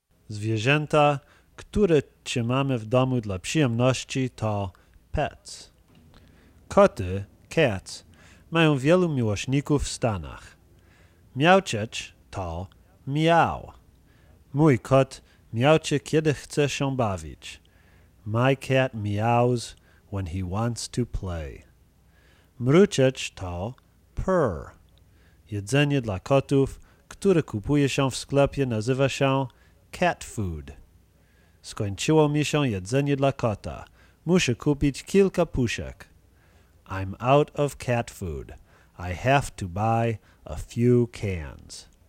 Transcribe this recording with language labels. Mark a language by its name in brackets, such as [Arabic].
[Polish] Zwierzęta, które trzymamy w domu dla przyjemności, to pets. Koty, cats, mają wielu miłośników w Stanach. Miauczeć to miau. Mój kot miaucze, kiedy chce się bawić. [English] My cat meows when he wants to play. [Polish] Mruczeć to purr. Jedzenie dla kotów, które kupuje się w sklepie, nazywa się cat food. Skończyło mi się jedzenie dla kota. Muszę kupić kilka puszek. [English] I'm out of cat food. I have to buy a few cans.